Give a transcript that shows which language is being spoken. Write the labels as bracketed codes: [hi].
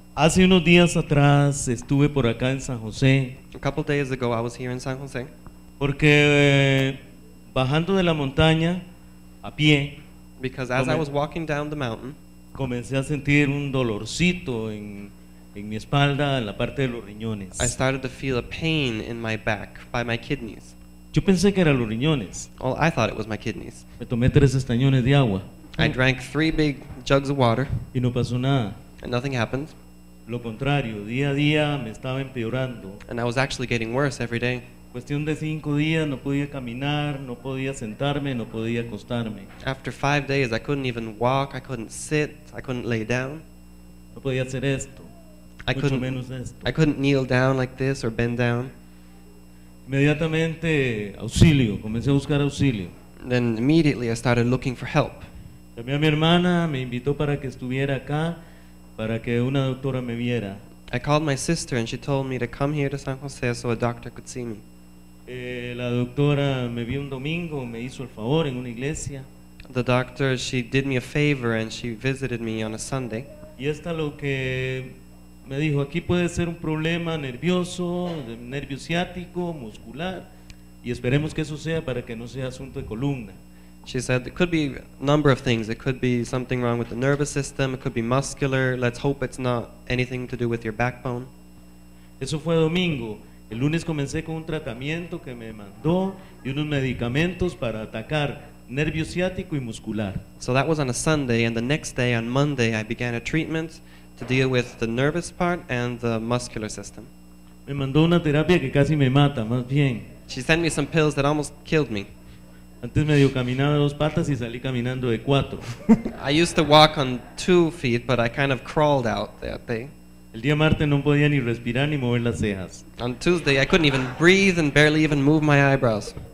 [es] Hace unos días atrás estuve por acá en San José. [en] A couple days ago I was here in San José. [es] Porque bajando de la montaña a pie, [en] because as I was walking down the mountain, [es] comencé a sentir un dolorcito en mi espalda, en la parte de los riñones. [en] I started to feel a pain in my back by my kidneys. [es] Yo pensé que eran los riñones. [en] Well, I thought it was my kidneys. [es] Me tomé tres estañones de agua. [en] I drank three big jugs of water. [es] Y no pasó nada. [en] And nothing happened. [es] Lo contrario, día a día me estaba empeorando. [en] And I was actually getting worse every day. [es] Cuestión de cinco días no podía caminar, no podía sentarme, no podía acostarme. [en] After 5 days I couldn't even walk, I couldn't sit, I couldn't lay down. [es] No podía hacer esto. [en] I couldn't kneel down like this or bend down. [es] Inmediatamente, auxilio, comencé a buscar auxilio. [en] Then immediately I started looking for help. [es] Llamé a mi hermana, me invitó para que estuviera acá, para que una doctora me viera. [en] I called my sister and she told me to come here to San Jose so a doctor could see me. [es] La doctora me vio un domingo, me hizo el favor en una iglesia. [en] The doctor, she did me a favor and she visited me on a Sunday. [es] Y esta lo que me dijo, aquí puede ser un problema nervioso, nervio ciático, muscular, y esperemos que eso sea para que no sea asunto de columna. [en] She said it could be a number of things. It could be something wrong with the nervous system. It could be muscular. Let's hope it's not anything to do with your backbone. [es] Eso fue domingo. El lunes comencé con un tratamiento que me mandó y unos medicamentos para atacar nervio ciático y muscular. [en] So that was on a Sunday, and the next day, on Monday, I began a treatment to deal with the nervous part and the muscular system. [es] Me mandó una terapia que casi me mata, más bien. [en] She sent me some pills that almost killed me. [es] Antes medio caminaba de dos patas y salí caminando de cuatro. [en] I used to walk on two feet, but I kind of crawled out that day. [es] El día martes no podía ni respirar ni mover las cejas. [en] On Tuesday, I couldn't even breathe and barely even move my eyebrows.